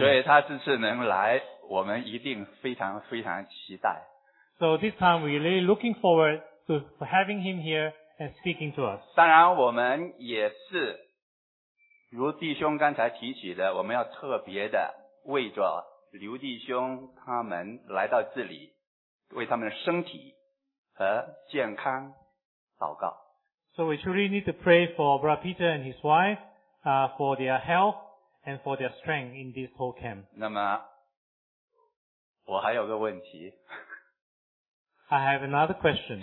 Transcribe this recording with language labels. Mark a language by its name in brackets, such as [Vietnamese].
[Chinese] 所以他这次能来，我们一定非常非常期待。 [English] So this time we're really looking forward to having him here. And speaking to us. [Chinese] 当然我们也是如弟兄刚才提起的，我们要特别的为着刘弟兄他们来到这里，为他们的身体和健康祷告。 [English] So we truly need to pray for Brother Peter and his wife for their health and for their strength in this whole camp. [Chinese] 那么我还有个问题。 [English] I have another question.